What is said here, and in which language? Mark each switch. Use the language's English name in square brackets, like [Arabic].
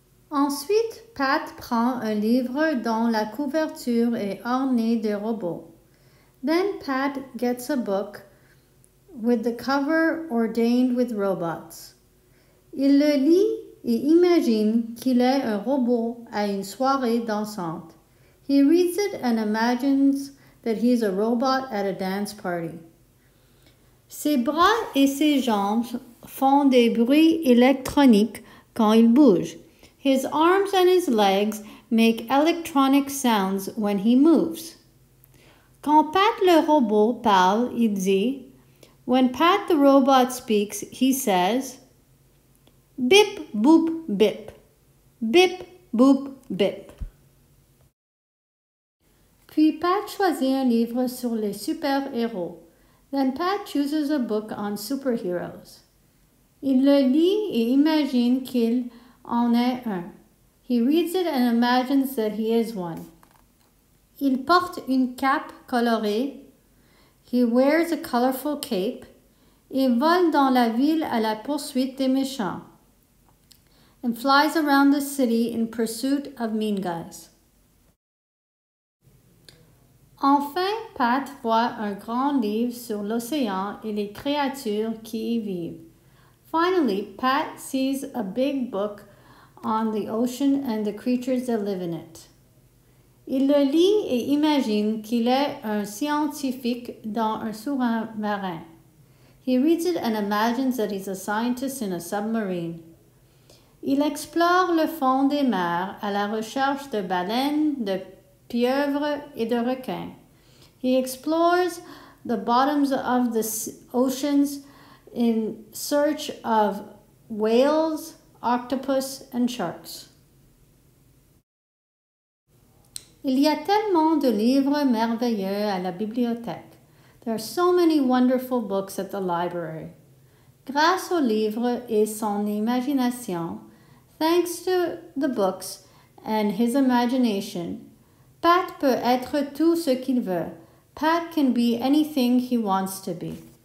[French] Ensuite, Pat prend un livre dont la couverture est ornée de robots. [English] Then Pat gets a book with the cover ornate with robots. [French] Il le lit et imagine qu'il est un robot à une soirée dansante. [English] He reads it and imagines that he's a robot at a dance party. [French] Ses bras et ses jambes font des bruits électroniques quand il bouge. [English] His arms and his legs make electronic sounds when he moves. [French] Quand Pat le robot parle, il dit, [English] when Pat the robot speaks, he says, [French] bip, boop, bip. Bip, boop, bip. Puis Pat choisit un livre sur les super-héros. [English] Then Pat chooses a book on superheroes. [French] Il le lit et imagine qu'il en est un. [English] He reads it and imagines that he is one. [French] Il porte une cape colorée. [English] He wears a colorful cape. [French] Il vole dans la ville à la poursuite des méchants. [English] And flies around the city in pursuit of mean guys. [French] Enfin, Pat voit un grand livre sur l'océan et les créatures qui y vivent. [English] Finally, Pat sees a big book on the ocean and the creatures that live in it. [French] Il le lit et imagine qu'il est un scientifique dans un sous-marin. [English] He reads it and imagines that he's a scientist in a submarine. [French] Il explore le fond des mers à la recherche de baleines, de pieuvres et de requins. [English] He explores the bottoms of the oceans in search of whales, octopus and sharks. [French] Il y a tellement de livres merveilleux à la bibliothèque. [English] There are so many wonderful books at the library. [French] Grâce aux livres et son imagination, [English] thanks to the books and his imagination, [French] Pat peut être tout ce qu'il veut. [English] Pat can be anything he wants to be.